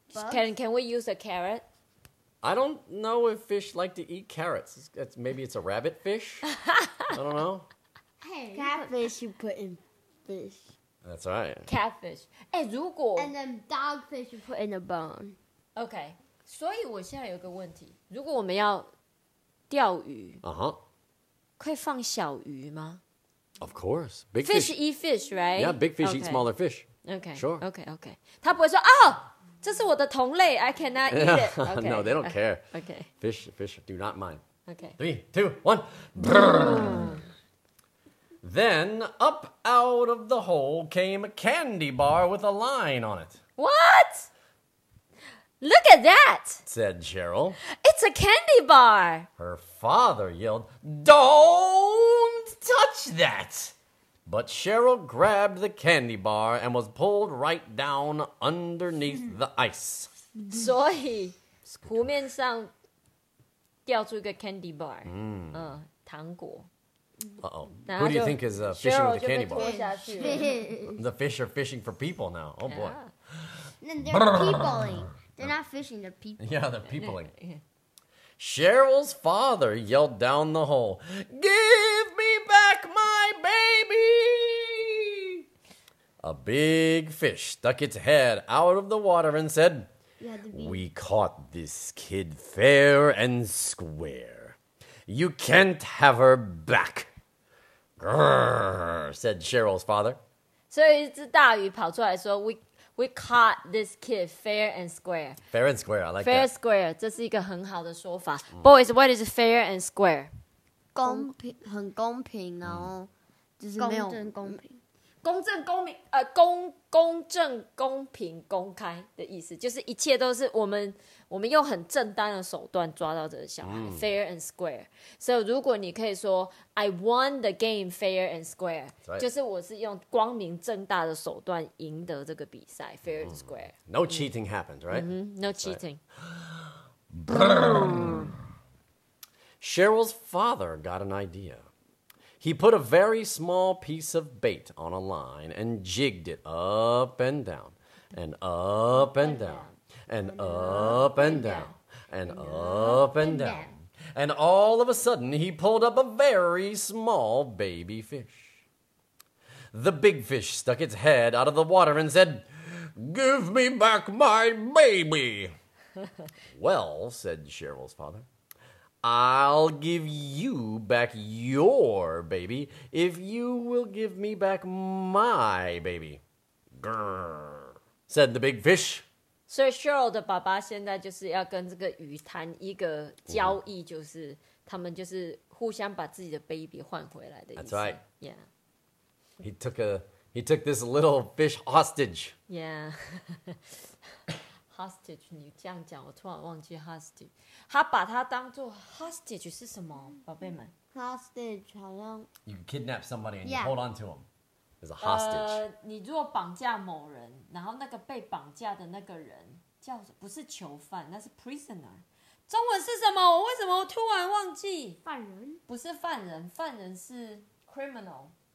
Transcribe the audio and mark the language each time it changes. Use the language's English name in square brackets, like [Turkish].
[English] Can we use a carrot? I don't know if fish like to eat carrots. Maybe it's a rabbit fish. I don't know. Hey, catfish you put in fish. That's right. [Chinese] Catfish. 欸如果 [English] And then dogfish you put in a bone. [Chinese] Okay. 所以我现在有个问题。如果我们要钓鱼、可以放小鱼吗 [English] Of course. Big fish. Fish eat fish, right? Yeah, big fish eat smaller fish. Okay. Sure. Okay. [Chinese] 他不会说、oh, 这是我的同类 [English] I cannot eat it. Okay. No, they don't care. Okay. Fish do not mind. Okay. 3, 2, 1. Brrrr. Then up out of the hole came a candy bar with a line on it. What? Look at that, said Cheryl. It's a candy bar. Her father yelled, Don't touch that. But Cheryl grabbed the candy bar and was pulled right down underneath the ice. [Chinese] 所以湖面上掉出一个 candy bar, 糖果。 Uh-oh. [English] Who do you think is fishing with the candy bar? The fish are fishing for people now. Oh, boy. And they're peopling. They're not fishing, they're peopling. Yeah, they're peopling. Cheryl's father yelled down the hole, Give me back my baby! A big fish stuck its head out of the water and said, We caught this kid fair and square. You can't have her back. Said Cheryl's father. So, [Chinese] 一只大鱼跑出来说 [English] we caught this kid fair and square. Fair and square, I like fair that. Fair square, [Chinese] 这是一个很好的说法. [English] Boys, what is fair and square? [Chinese] 公平，很公平，然后就是没有公正公平。公正公平，公正公平公开的意思，就是一切都是我们用很正当的手段抓到这个小孩、fair and square。所以如果你可以说 I won the game fair and square，、 [English] right. [Chinese] 就是我是用光明正大的手段赢得这个比赛 fair and square。 [English] No cheating happened, right? Mm-hmm, no cheating. Cheryl's father got an idea. He put a very small piece of bait on a line and jigged it up and down, and up and down, and up and down, and up and down. And all of a sudden, he pulled up a very small baby fish. The big fish stuck its head out of the water and said, Give me back my baby. Well, said Cheryl's father. I'll give you back your baby if you will give me back my baby. Grrr, said the big fish. [Chinese] 所以 Cheryl 的爸爸现在就是要跟这个鱼谈一个交易，就是他们就是互相把自己的 baby 换回来的意思。 [English] That's right. Yeah. He took this little fish hostage. Yeah. [Chinese] Hostage, 你这样讲，我突然忘记 hostage。他把他当做 hostage 是什么，宝贝们？Hostage 好像 [English] you kidnap somebody and、 yeah. you hold on to him as a hostage。 [Chinese] 你如果绑架某人，然后那个被绑架的那个人叫不是囚犯，那是 prisoner。中文是什么？我为什么突然忘记？犯人？不是犯人，犯人是 criminal。